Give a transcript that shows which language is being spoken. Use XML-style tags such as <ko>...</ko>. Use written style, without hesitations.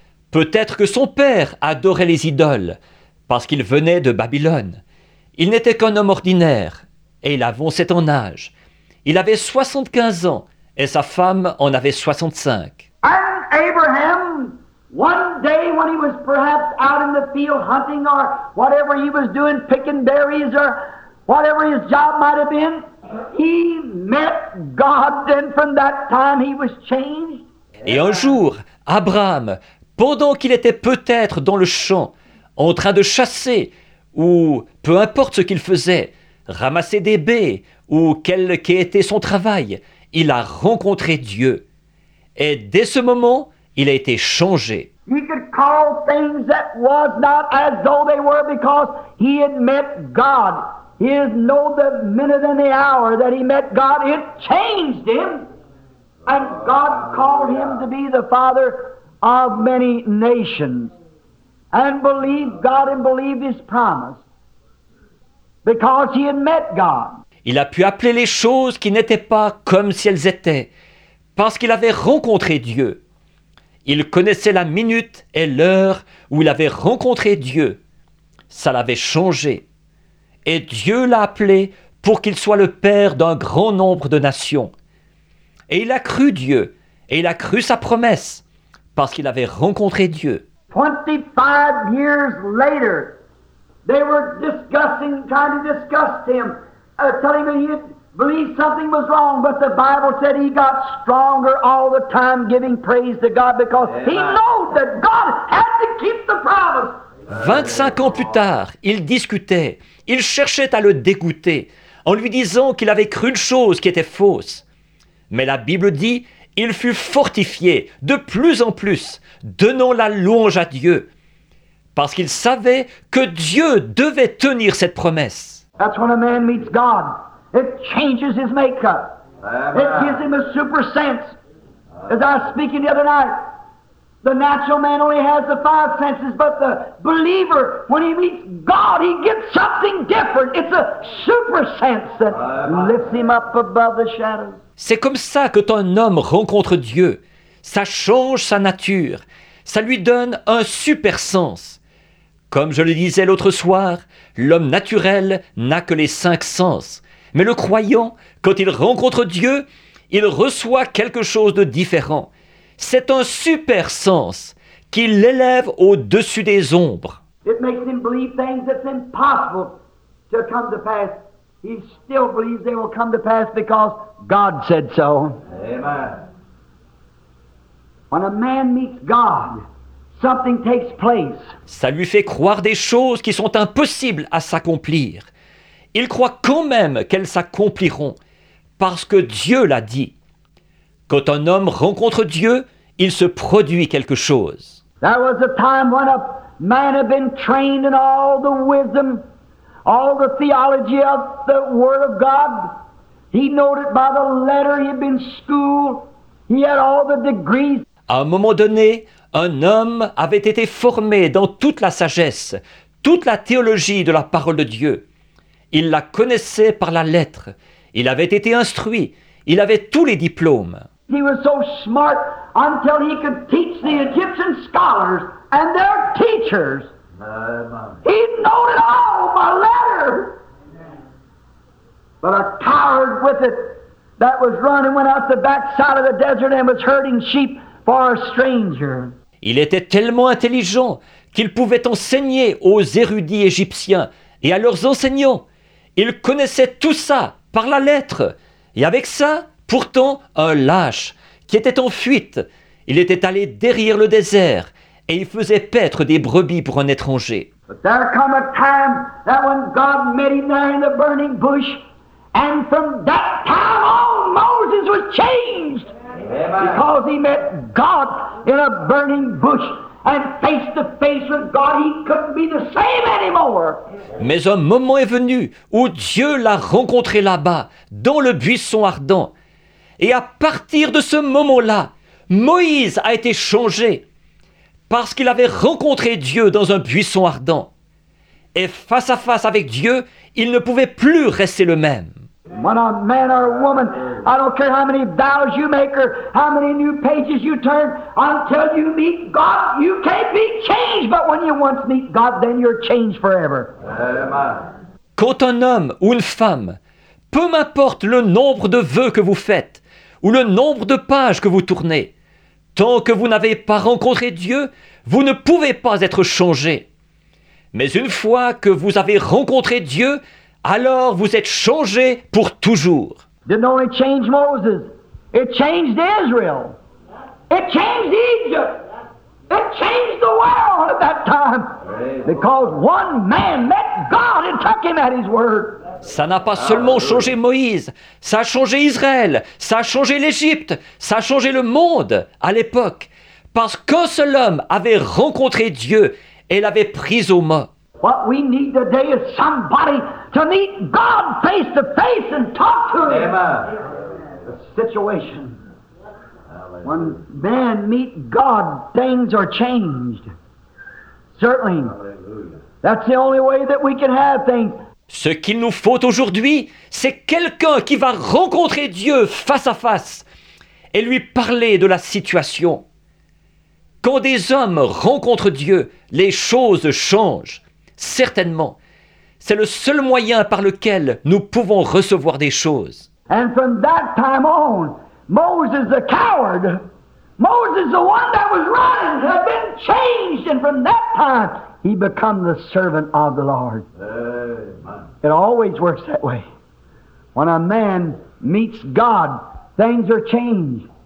<fr>Peut-être que son père adorait les idoles parce qu'il venait de Babylone. Il n'était qu'un homme ordinaire et il avançait en âge. Il avait 75 ans et sa femme en avait 65.</fr> <en>And Abraham, one day when he was perhaps out in the field hunting or whatever he was doing, picking berries or whatever his job might have been, he met God and from that time he was changed.</en> <fr>Et un jour, Abraham, pendant qu'il était peut-être dans le champ, en train de chasser, ou peu importe ce qu'il faisait, ramasser des baies, ou quel qu'ait été son travail, il a rencontré Dieu. Et dès ce moment, il a été changé.</fr> <en>He could call things that was not as though they were because he had met God. He had known the minute and the hour that he met God, it changed him. And God called him to be the father of many nations. And believe God and believe his promise. Because he had met God.</en> <fr>Il a pu appeler les choses qui n'étaient pas comme si elles étaient, parce qu'il avait rencontré Dieu. Il connaissait la minute et l'heure où il avait rencontré Dieu. Ça l'avait changé. Et Dieu l'a appelé pour qu'il soit le père d'un grand nombre de nations. Et il a cru Dieu, et il a cru sa promesse, parce qu'il avait rencontré Dieu.</fr> <en>25 years later, they were discussing, trying to discuss him, telling him he believed something was wrong, but the Bible said he got stronger all the time giving praise to God because Amen. He knows that God had to keep the promise.</en> <fr>25 ans plus tard, il discutait, il cherchait à le dégoûter en lui disant qu'il avait cru une chose qui était fausse. Mais la Bible dit, il fut fortifié de plus en plus, donnant la louange à Dieu. Parce qu'il savait que Dieu devait tenir cette promesse.</fr> <en>That's when a man meets God. It changes his makeup. It gives him a super sense. As I was speaking the other night, the natural man only has the five senses, but the believer, when he meets God, he gets something different. It's a super sense that lifts him up above the shadows.</en> <fr>C'est comme ça que ton homme rencontre Dieu. Ça change sa nature. Ça lui donne un super sens. Comme je le disais l'autre soir, l'homme naturel n'a que les cinq sens. Mais le croyant, quand il rencontre Dieu, il reçoit quelque chose de différent. C'est un super sens qui l'élève au-dessus des ombres.</fr> <en>It makes him believe things that's impossible to come to pass. He still believes they will come to pass because God said so. Amen. When a man meets God, something takes place.</en> <fr>Ça lui fait croire des choses qui sont impossibles à s'accomplir. Il croit quand même qu'elles s'accompliront parce que Dieu l'a dit. Quand un homme rencontre Dieu, il se produit quelque chose.</fr> <en>There was a time when a man had been trained in all the wisdom, all the theology of the Word of God. He noted by the letter, he had been schooled, he had all the degrees.</en> <fr>À un moment donné, un homme avait été formé dans toute la sagesse, toute la théologie de la parole de Dieu. Il la connaissait par la lettre, il avait été instruit, il avait tous les diplômes.</fr> <en>He was so smart until he could teach the Egyptian scholars and their teachers. He knew it all by letter. But a coward with it that was running went out the back side of the desert and was herding sheep for a stranger.</en> <fr>Il était tellement intelligent qu'il pouvait enseigner aux érudits égyptiens et à leurs enseignants. Il connaissait tout ça par la lettre. Et avec ça, pourtant, un lâche qui était en fuite, il était allé derrière le désert et il faisait paître des brebis pour un étranger.</fr> <en>But there come a time that when God met him there in the burning bush, and from that time on Moses was changed. Amen. Because he met God in a burning bush and face to face with God, he couldn't be the same anymore.</en> <fr>Mais un moment est venu où Dieu l'a rencontré là-bas, dans le buisson ardent. Et à partir de ce moment-là, Moïse a été changé parce qu'il avait rencontré Dieu dans un buisson ardent. Et face à face avec Dieu, il ne pouvait plus rester le même.</fr> <en>When a man or a woman, I don't care how many vows you make or how many new pages you turn, until you meet God, you can't be changed. But when you once meet God, then you're changed forever.</en> <fr>Quand un homme ou une femme, peu m'importe le nombre de vœux que vous faites, ou le nombre de pages que vous tournez. Tant que vous n'avez pas rencontré Dieu, vous ne pouvez pas être changé. Mais une fois que vous avez rencontré Dieu, alors vous êtes changé pour toujours.</fr> <en>Didn't only change Moses, it changed Israel. It changed Egypt. It changed the world at that time. Because one man met God and took him at his word.</en> <fr>Ça n'a pas seulement changé Moïse, ça a changé Israël, ça a changé l'Égypte, ça a changé le monde à l'époque. Parce qu'un seul homme avait rencontré Dieu et l'avait pris au mot.</fr> <en>What we need today is somebody to meet God face to face and talk to him. Amen. The situation. When men meet God, things are changed. Certainly. That's the only way that we can have things.</en> <fr>Ce qu'il nous faut aujourd'hui, c'est quelqu'un qui va rencontrer Dieu face à face et lui parler de la situation. Quand des hommes rencontrent Dieu, les choses changent. Certainement, c'est le seul moyen par lequel nous pouvons recevoir des choses.</fr> <en>And from that time on, Moses the coward, Moses the one that was running, had been changed, and from that time, he became the servant of the Lord. Amen. It always works that way. When a man meets God, things are changed.</en>